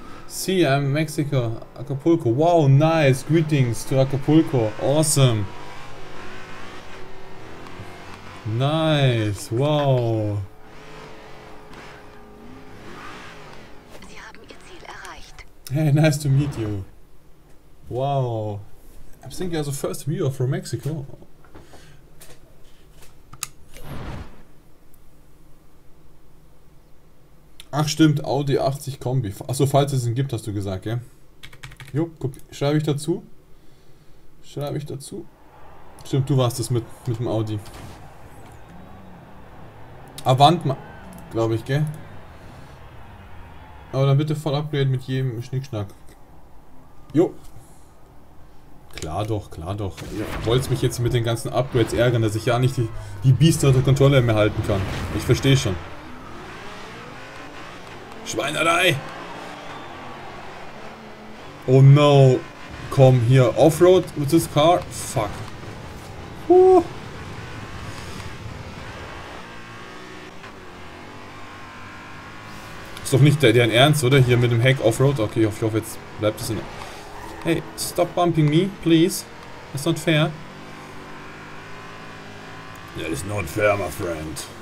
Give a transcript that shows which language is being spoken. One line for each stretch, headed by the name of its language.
English: See, I'm Mexico, Acapulco. Wow, nice. Greetings to Acapulco. Awesome. Nice. Wow.
German: Sie haben Ihr Ziel erreicht.
English: Hey, nice to meet you. Wow. I'm thinking as a first viewer from Mexico.
German: Ach stimmt, Audi 80 Kombi. Achso, falls es ihn gibt, hast du gesagt, ja? Jo, schreibe ich dazu. Schreibe ich dazu. Stimmt, du warst das mit dem Audi. Avant, glaube ich, gell? Aber dann bitte voll upgrade mit jedem Schnickschnack. Jo. Klar doch, klar doch. Ihr wollt mich jetzt mit den ganzen Upgrades ärgern, dass ich ja nicht die Biester unter Kontrolle mehr halten kann. Ich verstehe schon. Schweinerei!
English: Oh no!
German: Komm hier,
English: Offroad with this car? Fuck!
German: Ist doch nicht deren Ernst, oder? Hier mit dem Heck Offroad? Okay, ich hoffe jetzt bleibt es in.
English: Hey, stop bumping me, please! That's not fair! That is not fair, my friend!